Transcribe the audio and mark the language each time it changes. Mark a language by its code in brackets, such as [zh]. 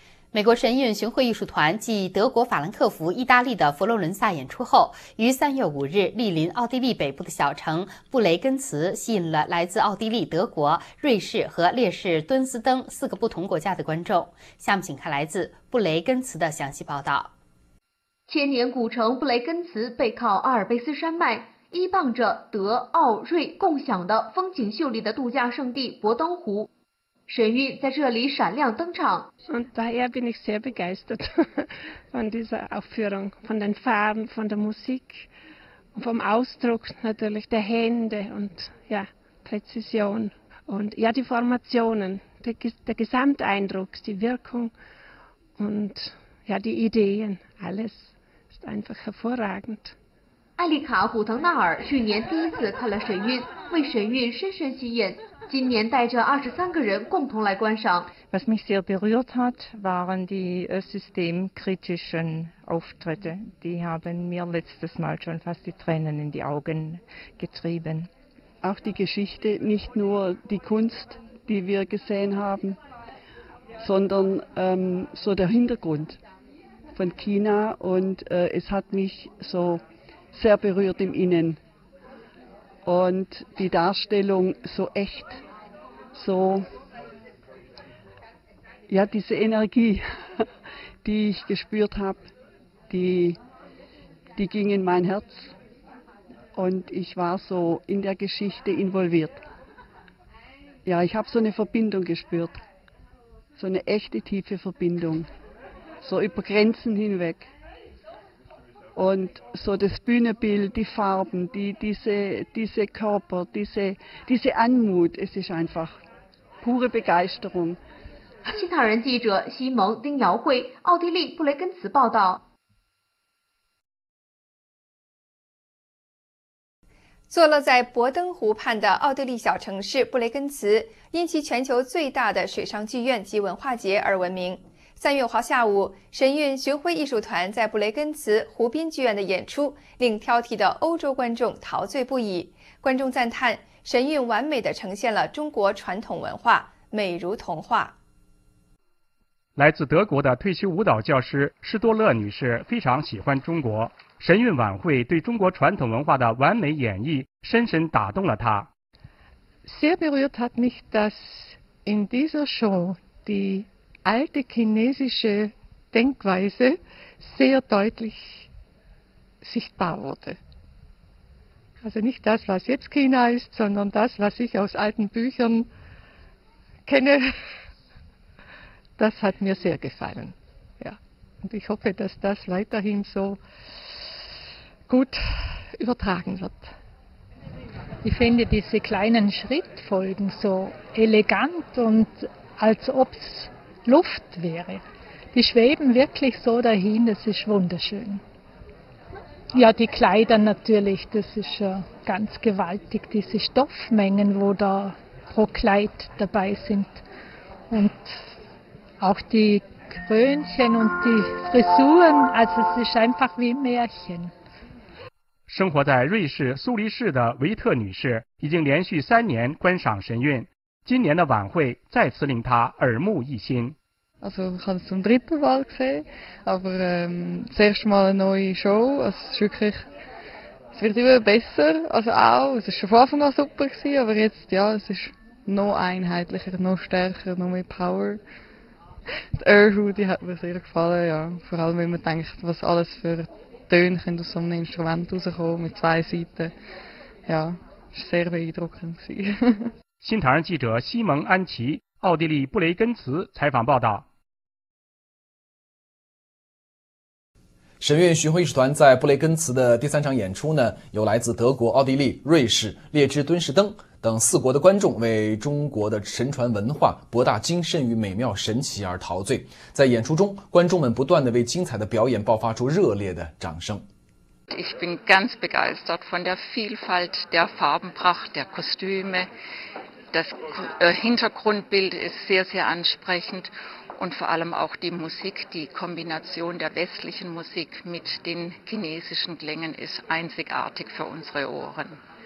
[zh] 美国神韵巡回艺术团继德国法兰克福、意大利的佛罗伦萨演出后，于3月5日莅临奥地利北部的小城布雷根茨，吸引了来自奥地利、德国、瑞士和列士敦斯登四个不同国家的观众。下面请看来自布雷根茨的详细报道。千年古城布雷根茨背靠阿尔卑斯山脉，依傍着德、奥、瑞共享的风景秀丽的度假胜地博登湖。神韵在这里闪亮登场。 [de] Und daher bin ich sehr begeistert von dieser Aufführung, von den Farben, von der Musik, vom Ausdruck natürlich der Hände und ja, Präzision und ja, die Formationen, der Gesamteindruck, die Wirkung und ja, die Ideen, alles ist einfach hervorragend. [zh] 艾丽卡·古腾纳尔去年第一次看了神韵，为神韵深深吸引，今年带着23个人共同来观赏。 [de] Was mich sehr berührt hat, waren die systemkritischen Auftritte. Die haben mir letztes Mal schon fast die Tränen in die Augen getrieben. Auch die Geschichte, nicht nur die Kunst, die wir gesehen haben, sondern so der Hintergrund von China und es hat mich so. Sehr berührt im Innen. Und die Darstellung so echt, so, ja, diese Energie, die ich gespürt habe, die ging in mein Herz. Und ich war so in der Geschichte involviert. Ja, ich habe so eine Verbindung gespürt. So eine echte tiefe Verbindung. So über Grenzen hinweg. Und so das Bühnenbild, die Farben, diese Körper, diese Anmut, es ist einfach pure Begeisterung. [zh] 新唐人记者西蒙·丁瑶慧，奥地利布雷根茨报道。坐落在博登湖畔的奥地利小城市布雷根茨，因其全球最大的水上剧院及文化节而闻名。 3月5号下午，神韵巡回艺术团在布雷根茨湖滨剧院的演出令挑剔的欧洲观众陶醉不已。观众赞叹神韵完美地呈现了中国传统文化，美如童话。来自德国的退休舞蹈教师施多勒女士非常喜欢中国，神韵晚会对中国传统文化的完美演绎深深打动了她。 [de] Sehr berührt hat mich, dass in dieser Show die alte chinesische Denkweise sehr deutlich sichtbar wurde. Also nicht das, was jetzt China ist, sondern das, was ich aus alten Büchern kenne. Das hat mir sehr gefallen. Ja. Und ich hoffe, dass das weiterhin so gut übertragen wird. Ich finde diese kleinen Schrittfolgen so elegant und als ob es Luft wäre. Die schweben wirklich so dahin, das ist wunderschön. Ja, die Kleider natürlich, das ist ja ganz gewaltig, diese Stoffmengen, wo da pro Kleid dabei sind. Und auch die Krönchen und die Frisuren, also es ist einfach wie ein Märchen. [zh] 生活在瑞士苏黎世的维特女士已经连续3年观赏神韵，今年的晚会再次令她耳目一新。 [de] Also ich habe es zum dritten Mal gesehen, aber das erste Mal eine neue Show, also es ist wirklich, es wird immer besser, also auch, es war schon von Anfang an super gewesen, aber jetzt, ja, es ist noch einheitlicher, noch stärker, noch mehr Power. Die Erhut, die hat mir sehr gefallen, ja, vor allem wenn man denkt, was alles für Töne können aus so einem Instrument rauskommen mit 2 Seiten, ja, es war sehr beeindruckend gewesen. [zh] 新唐人记者西蒙·安琪奥地利布雷根茨采访报道。神韵巡回艺术团在布雷根茨的第3场演出呢，由来自德国、奥地利、瑞士、列支敦士登等4国的观众为中国的神传文化博大精深与美妙神奇而陶醉。在演出中，观众们不断地为精彩的表演爆发出热烈的掌声。 [de] Ich bin ganz begeistert von der Vielfalt der Farbenpracht der Kostüme. Das Hintergrundbild ist sehr, sehr ansprechend und vor allem auch die Musik, die Kombination der westlichen Musik mit den chinesischen Klängen ist einzigartig für unsere Ohren.